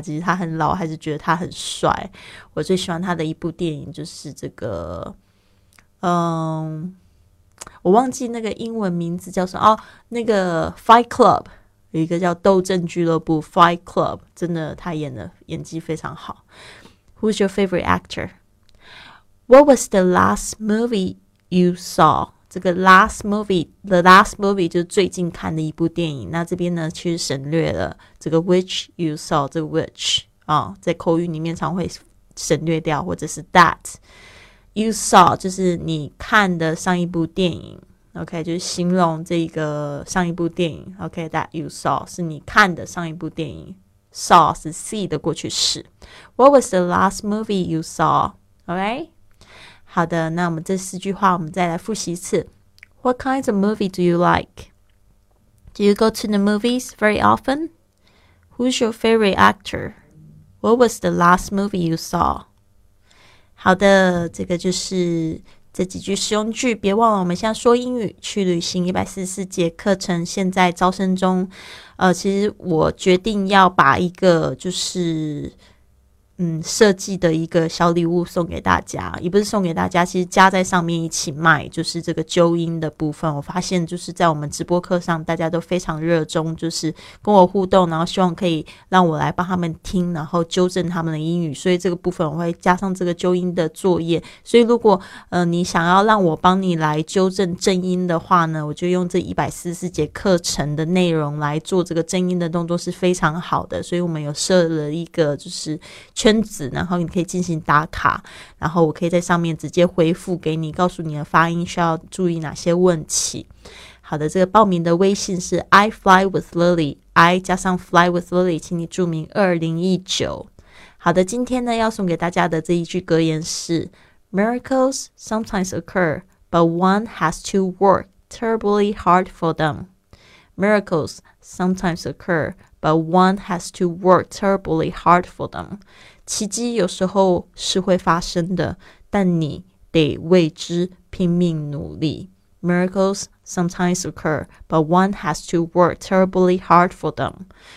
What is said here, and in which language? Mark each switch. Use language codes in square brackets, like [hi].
[zh] 其实他很老，还是觉得他很帅。我最喜欢他的一部电影就是这个，我忘记那个英文名字叫什么哦，那个 Fight Club， 有一个叫《斗争俱乐部》Fight Club， 真的他演的演技非常好。 [en] Who's your favorite actor? What was the last movie you saw? [zh] 这个 last movie， the last movie 就是最近看的一部电影。那这边呢其实省略了这个 [en] which you saw， [zh] 这个 which、在口语里面常会省略掉，或者是 [en] that you saw [zh] 就是你看的上一部电影， OK， 就是形容这个上一部电影， OK， that you saw 是你看的上一部电影， saw 是 see 的过去式。 [en] What was the last movie you saw? Alright? [zh] 好的，那我们这四句话我们再来复习一次。 [en] What kinds of movie do you like? Do you go to the movies very often? Who's your favorite actor? What was the last movie you saw? [zh] 好的，这个就是这几句实用句。别忘了我们现在说英语去旅行144节课程现在招生中，其实我决定要把一个就是设计的一个小礼物送给大家，也不是送给大家，其实加在上面一起卖，就是这个纠音的部分。我发现就是在我们直播课上大家都非常热衷，就是跟我互动，然后希望可以让我来帮他们听，然后纠正他们的英语，所以这个部分我会加上这个纠音的作业。所以如果你想要让我帮你来纠正正音的话呢，我就用这144节课程的内容来做这个正音的动作是非常好的。所以我们有设了一个就是圈子，然后你可以进行打卡，然后我可以在上面直接回复给你，告诉你的发音需要注意哪些问题。好的，这个报名的微信是 I fly with Lily， I 加上 fly with Lily， 请你注明2019。好的，今天呢要送给大家的这一句格言是 [en] Miracles sometimes occur, but one has to work terribly hard for them. Miracles sometimes occur. But one has to work terribly hard for them. [zh] 奇迹有时候是会发生的，但你得为之拼命努力。 [en] Miracles sometimes occur, but one has to work terribly hard for them.